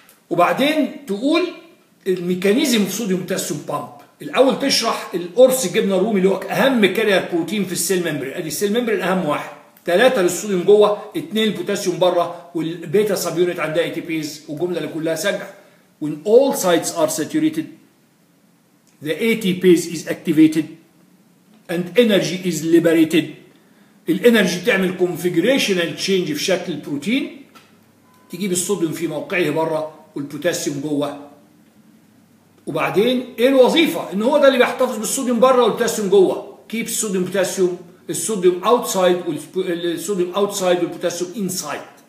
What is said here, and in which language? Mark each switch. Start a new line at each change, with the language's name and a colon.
Arabic: وبعدين تقول الميكانيزم في صوديوم بوتاسيوم بامب. الاول تشرح القرص الجبنه الرومي اللي هو اهم كارير بروتين في السيل ميمبرين. ادي السيل ميمبرين اهم واحد، 3 للصوديوم جوه، 2 البوتاسيوم بره، والبيتا سب يونت عندها اي تي بيز، والجمله اللي كلها سجع.
English: When all sites are saturated the ATPase is activated and energy is liberated.
Arabic: الانرجي تعمل configurational change في شكل البروتين، تجيب الصوديوم في موقعه بره والبوتاسيوم جوه. وبعدين ايه الوظيفه؟ ان هو ده اللي بيحتفظ بالصوديوم بره والبوتاسيوم جوه.
English: Keep sodium potassium
Arabic: الصوديوم اوتسايد والصوديوم اوتسايد والبوتاسيوم انسايد.